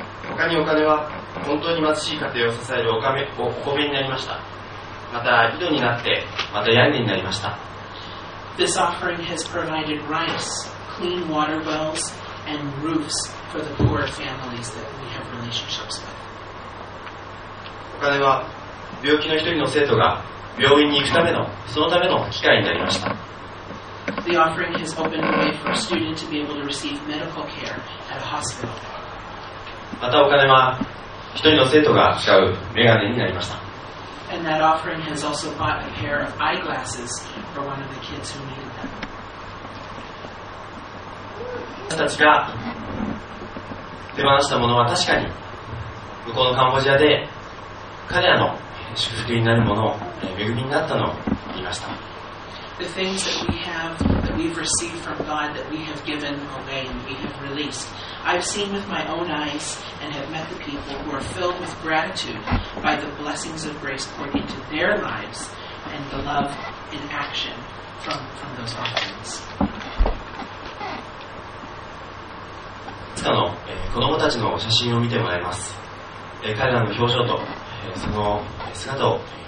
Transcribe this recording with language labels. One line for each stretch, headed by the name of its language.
Japanese: 他にお金は本当に貧しい家庭を支えるお米になりました。また井戸になって、また屋根になりました。
English: This offering has provided rice, clean water wells, and roofs for the poor families that we have relationships with.
Japanese: お金は病気の一人の生徒が病院に行くためのそのための機会になりました。
English: The offering has opened a way for a student to be able to receive medical care at a hospital.
Japanese: またお金は一人の生徒が使うメガネになりました。
English: And that offering has also bought a pair of eyeglasses for one of the kids who needed them.
Japanese: 私たちが手放したものは確かに向こうのカンボジアで彼らの祝福になるもの、恵みになったのを言いました。
English: The things that we have, that we've received from God, that we have given away and we have released. I've seen with my own eyes and have met the people who are filled with gratitude by the blessings of grace poured into their lives and the love in action from those offerings.
Japanese: その、子供たちの写真を見てもらいます。彼らの表情と、その姿を